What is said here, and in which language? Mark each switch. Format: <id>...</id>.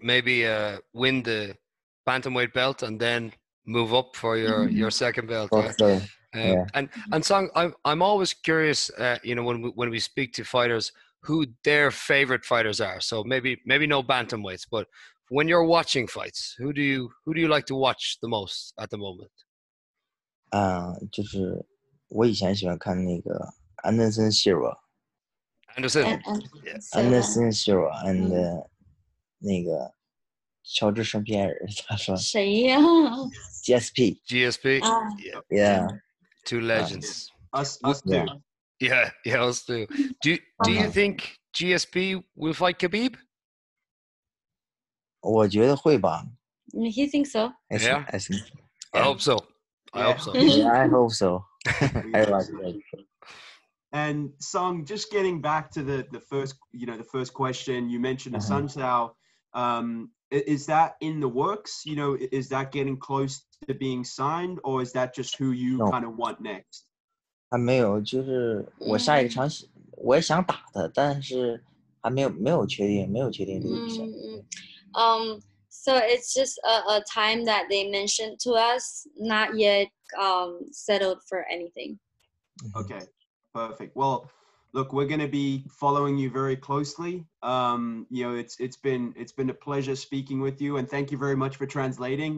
<en>Maybe win the bantamweight belt and then move up for your second belt. Yeah. And Song, I'm always curious, you know, when we speak to fighters, who their favorite fighters are. So maybe no bantamweights, but when you're watching fights, who do you like to watch the most at the moment?</en> <zh>就是我以前喜欢看那个安德森希尔瓦。</zh> <en>Anderson.</en> <zh>Anderson Silva and 那个乔治圣皮埃尔，他说谁呀</zh> <en>？GSP. GSP. Yeah. Two legends. Us too. Yeah, us too. Do you think GSP will fight Khabib?</en> <zh>我觉得会吧。</zh> <en>He thinks so. I hope so. I hope so. Yeah, I hope so. I like that. And Song, just getting back to the first question, you mentioned a Sun Tzu. Is that in the works? You know, is that getting close to being signed, or is that just who you kind of want next?</en> <zh>还没有，就是我下一场我也想打的，但是还没有确定，没有确定这个比赛。</zh> <en>So it's just a time that they mentioned to us, not yet settled for anything. Okay, perfect. Well, look, we're going to be following you very closely. You know, it's been a pleasure speaking with you, and thank you very much for translating.</en>